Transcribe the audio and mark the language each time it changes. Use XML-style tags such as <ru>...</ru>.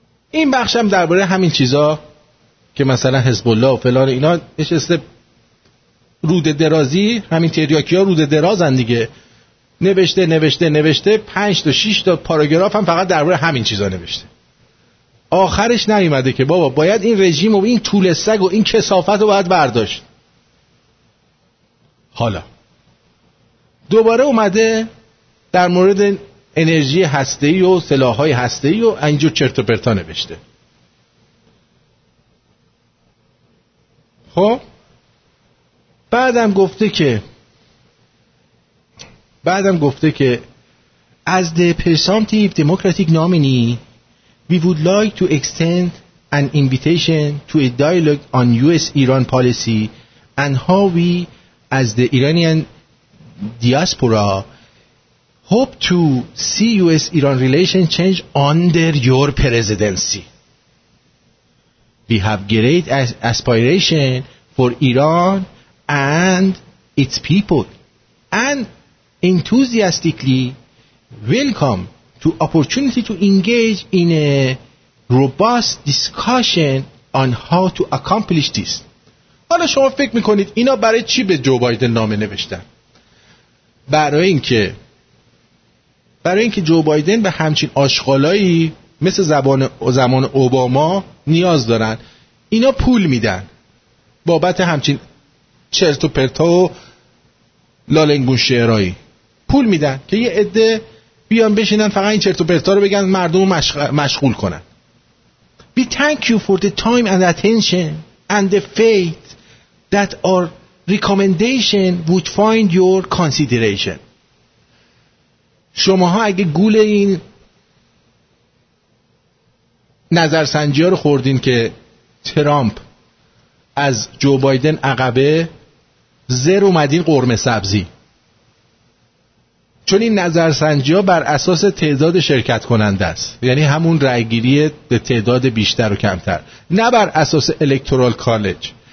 <fa>این بخشم درباره همین چیزا که مثلا حزب الله و فلان اینا نشسته روده درازی، همین تریاکی ها روده درازن دیگه، نوشته نوشته نوشته 5 تا 6 تا پاراگراف هم فقط درباره همین چیزا نوشته، آخرش نیومده که بابا باید این رژیم و این طول سگ و این کثافت رو باید برداشت. حالا دوباره اومده در مورد انرژی هسته‌ای و سلاح‌های هسته‌ای و اینجور چرت و پرتا نوشته. خب بعدم گفته که از</fa> <en>the presumptive democratic nominee we would like to extend an invitation to a dialogue on US Iran policy and how we as the Iranian diaspora hope to see US Iran relation change under your presidency. We have great aspiration for Iran and its people and enthusiastically welcome to opportunity to engage in a robust discussion on how to accomplish this.</en> <fa>حالا شما فکر میکنید اینا برای چی به جو بایدن نامه نوشتن؟ برای اینکه جو بایدن به همچین آشغالایی مثل زمان اوباما نیاز دارن. اینا پول میدن بابت همچین چرت و پرتا و لالنگون شعرهایی، پول میدن که یه عده بیان بشینن فقط این چرت و پرتا رو بگن، مردم رو مشغول کنن.</fa> <en>We thank you for the time and attention and the faith that our recommendation would find your consideration.</en> <fa>شماها اگه گول این نظرسنجی ها رو خوردین که ترامپ از جو بایدن عقبه، زر اومدین قرمه سبزی. چون این نظرسنجی ها بر اساس تعداد شرکت کننده است، یعنی همون رای گیری به تعداد بیشتر و کمتر، نه بر اساس الکترال کالج.</fa>